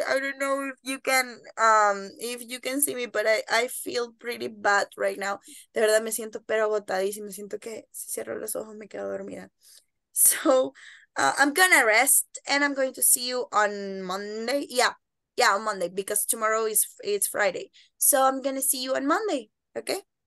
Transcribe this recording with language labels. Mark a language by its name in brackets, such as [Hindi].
[English] I don't know if you can see me, but I feel pretty bad right now. [Spanish] De verdad me siento pero agotadísima. Siento que si cierro los ojos me quedo dormida. [English] So I'm gonna rest and I'm going to see you on Monday. Yeah, on Monday, because tomorrow is Friday. So I'm gonna see you on Monday, okay?